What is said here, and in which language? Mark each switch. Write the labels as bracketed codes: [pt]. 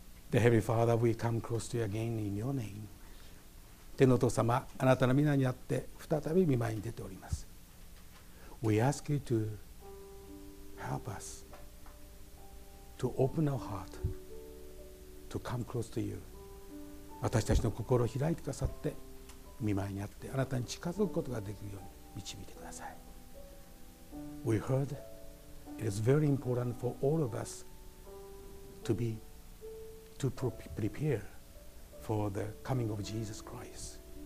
[en] The Heavenly Father, we come close to you again in your name. [ja] 天のお父様、あなたの御名にあって再び御前に出ております。 [en] We ask you to help us to open our heart to come close to you. [ja] 私たちの心を開いてくださって、御前にあってあなたに近づくことができるように導いてください。 [en] We heard it is very important for all of us to prepare for the coming of Jesus Christ.